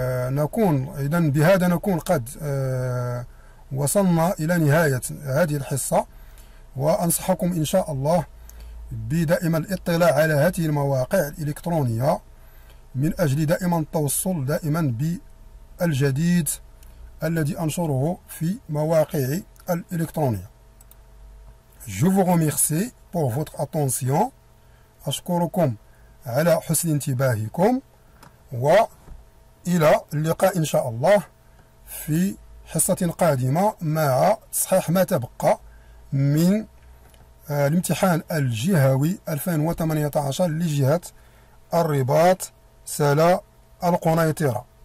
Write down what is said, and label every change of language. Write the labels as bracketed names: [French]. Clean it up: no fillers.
[Arabic] نكون اذا بهذا نكون قد وصلنا الى نهايه هذه الحصه، وانصحكم ان شاء الله بدائما الاطلاع على هذه المواقع الالكترونيه من اجل دائما التوصل دائما بالجديد الذي انشره في مواقعي الالكترونيه. [French] Je vous remercie pour votre attention. [Arabic] اشكركم على حسن انتباهكم، وإلى اللقاء إن شاء الله في حصة قادمة مع تصحيح ما تبقى من الامتحان الجهوي 2018 لجهة الرباط سلا القنيطرة.